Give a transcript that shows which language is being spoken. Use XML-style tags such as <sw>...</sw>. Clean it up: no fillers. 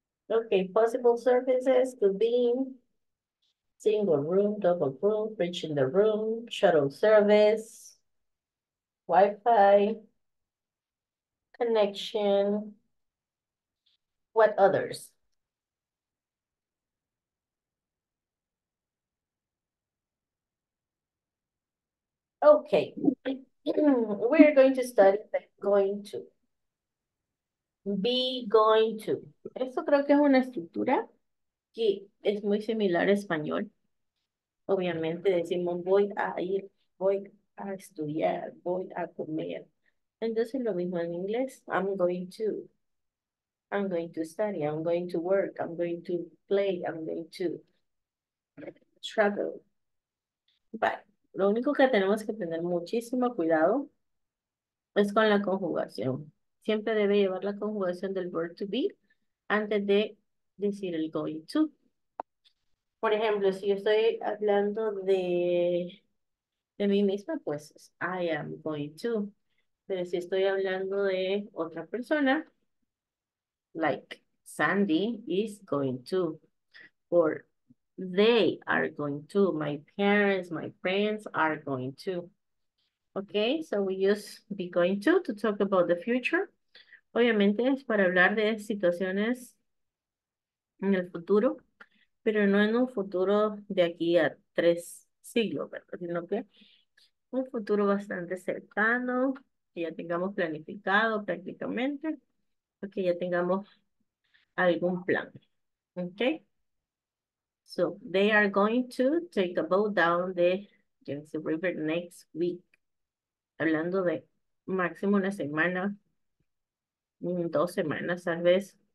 <en>Okay, possible services could be single room, double room, fridge in the room, shuttle service, Wi-Fi, connection. What others? Okay, we're going to study the going to. Be going to.</en> <es>Esto creo que es una estructura que es muy similar a español. Obviamente decimos voy a ir, voy a estudiar, voy a comer. Entonces lo mismo en inglés.</es> <en>I'm going to. I'm going to study. I'm going to work. I'm going to play. I'm going to travel. But</en> <es>lo único que tenemos que tener muchísimo cuidado es con la conjugación. Siempre debe llevar la conjugación del verb to be antes de decir el going to. Por ejemplo, si yo estoy hablando de mí misma, pues</es> <en>I am going to.</en> <es>Pero si estoy hablando de otra persona,</es> <en>like Sandy is going to. Or they are going to. My parents, my friends are going to. Okay, so we use be going to talk about the future.</en> <es>Obviamente es para hablar de situaciones en el futuro, pero no en un futuro de aquí a 3 siglos, ¿verdad? Sino que un futuro bastante cercano, que ya tengamos planificado prácticamente, o que ya tengamos algún plan.</es> <en>Okay? So, they are going to take a boat down the James River next week.</en> <es>Hablando de máximo una semana, 2 semanas, tal vez.</es>